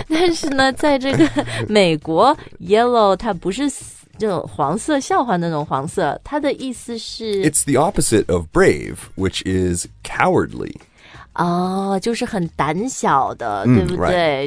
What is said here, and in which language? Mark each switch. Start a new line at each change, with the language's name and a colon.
Chinese: 但是呢在这个美国 Yellow 它不是这种黄色笑话那种黄色它的意思是
English: It's the opposite of brave, which is cowardly.
Chinese: 哦、oh, 就是很胆小的、对不对、